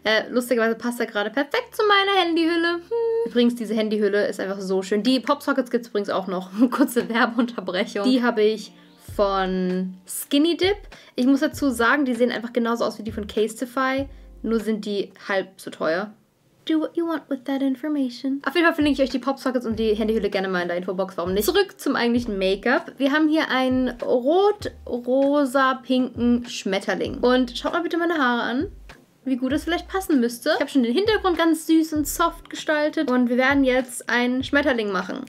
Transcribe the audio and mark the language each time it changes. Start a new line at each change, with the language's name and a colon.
German: Lustigerweise passt er gerade perfekt zu meiner Handyhülle. Übrigens, diese Handyhülle ist einfach so schön. Die Popsockets gibt es übrigens auch noch. Kurze Werbeunterbrechung. Die habe ich von Skinny Dip. Ich muss dazu sagen, die sehen einfach genauso aus wie die von Casetify, nur sind die halb so teuer.
English: Do what you want with that information.
German: Auf jeden Fall verlinke ich euch die Popsockets und die Handyhülle gerne mal in der Infobox, warum nicht? Zurück zum eigentlichen Make-up. Wir haben hier einen rot-rosa-pinken Schmetterling. Und schaut mal bitte meine Haare an, wie gut das vielleicht passen müsste. Ich habe schon den Hintergrund ganz süß und soft gestaltet und wir werden jetzt einen Schmetterling machen.